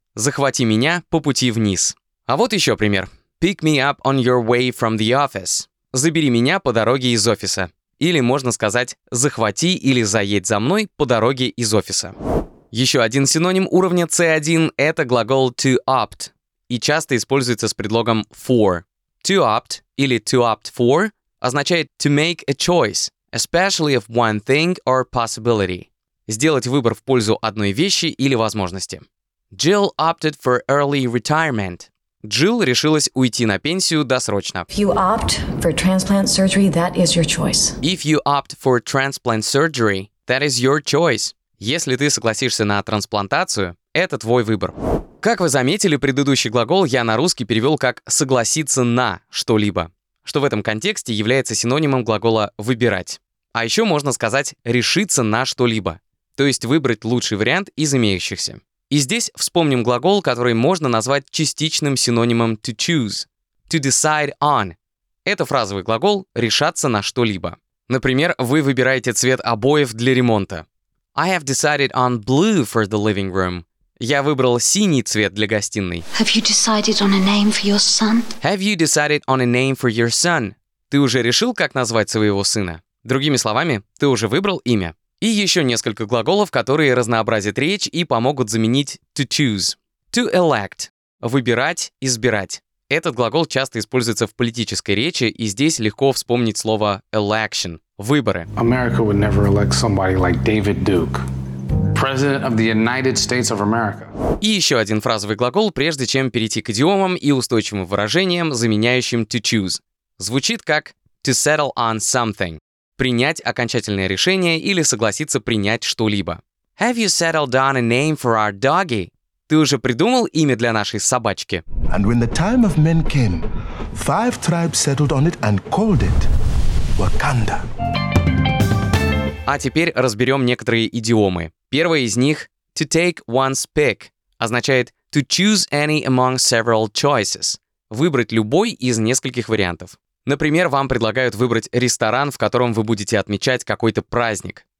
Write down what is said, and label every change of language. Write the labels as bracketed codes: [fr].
[ru] Захвати меня по пути вниз. А вот еще пример. [en] Pick me up on your way from the office. [ru] Забери меня по дороге из офиса. Или можно сказать, захвати или заедь за мной по дороге из офиса. Еще один синоним уровня C1 — это глагол to opt. И часто используется с предлогом for. [en] To opt или to opt for означает to make a choice, especially of one thing or possibility. [ru] Сделать выбор в пользу одной вещи или возможности. [en] Jill opted for early retirement. [ru] Джилл решилась уйти на пенсию досрочно. [en] If you opt for transplant surgery, that is your choice. If you opt for transplant surgery, that is your choice. [ru] Если ты согласишься на трансплантацию, это твой выбор. Как вы заметили, предыдущий глагол я на русский перевел как «согласиться на что-либо», что в этом контексте является синонимом глагола «выбирать». А еще можно сказать «решиться на что-либо», то есть выбрать лучший вариант из имеющихся. И здесь вспомним глагол, который можно назвать частичным синонимом «to choose», «to decide on». Это фразовый глагол «решаться на что-либо». Например, вы выбираете цвет обоев для ремонта. [en] I have decided on blue for the living room. [ru] Я выбрал синий цвет для гостиной. [en] Have you decided on a name for your son? Have you decided on a name for your son? [ru] Ты уже решил, как назвать своего сына? Другими словами, ты уже выбрал имя. И еще несколько глаголов, которые разнообразят речь и помогут заменить to choose. To elect. Выбирать, избирать. Этот глагол часто используется в политической речи, и здесь легко вспомнить слово election. Выборы. [en] America would never elect somebody like David Duke. President of the United States of America. [ru] И еще один фразовый глагол, прежде чем перейти к идиомам и устойчивым выражениям, заменяющим to choose. Звучит как to settle on something. Принять окончательное решение или согласиться принять что-либо. [en] Have you settled on a name for our doggy? [ru] Ты уже придумал имя для нашей собачки? [en] And when the time of men came, five tribes settled on it and called it Wakanda. [ru] А теперь разберем некоторые идиомы. Первое из них – to take one's pick, означает [en] to choose any among several choices [ru] – выбрать любой из нескольких вариантов. Например, вам предлагают выбрать ресторан, в котором вы будете отмечать какой-то праздник.